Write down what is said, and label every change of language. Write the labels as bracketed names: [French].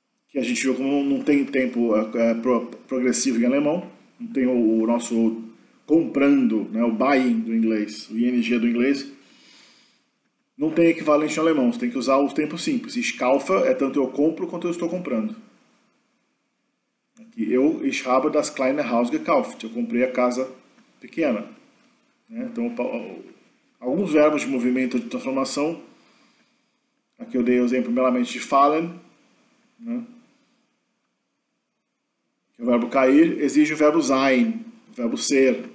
[Portuguese] Que a gente viu como não tem tempo progressivo em alemão. Não tem o nosso comprando, né, o buying do inglês, o ING do inglês. Não tem equivalente em alemão. Você tem que usar o tempo simples. Schkaufe é tanto eu compro quanto eu estou comprando. Aqui, eu, [German] ich habe das kleine Haus gekauft. [Portuguese] Eu comprei a casa pequena. Né? Então, alguns verbos de movimento de transformação. Aqui eu dei o exemplo meramente de fallen. Né? Que o verbo cair exige o verbo sein, o verbo ser.